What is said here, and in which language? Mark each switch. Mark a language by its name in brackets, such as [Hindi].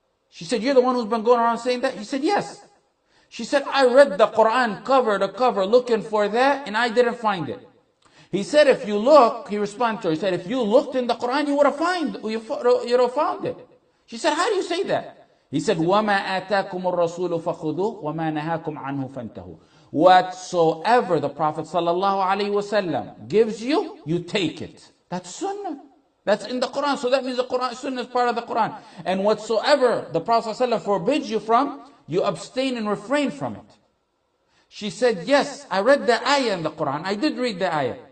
[English] She said, you're the one who's been going around saying that? He said, yes. She said, I read the Quran cover to cover looking for that, and I didn't find it. He said, if you look, he responded to her, he said, if you looked in the Quran, you would have found it. She said, how do you say that? He said, [Arabic] وَمَا آتَاكُمُ الرَّسُولُ فَخُذُوهُ وَمَا نَهَاكُمْ عَنْهُ فَانْتَهُ. [English] Whatsoever the Prophet sallallahu alayhi wasallam gives you, you take it. That's Sunnah. That's in the Quran. So that means the Quran, Sunnah is part of the Quran. And whatsoever the Prophet sallallahu alayhi wasallam forbids you from, you abstain and refrain from it. She said, yes, I read the ayah in the Quran. I did read the ayah.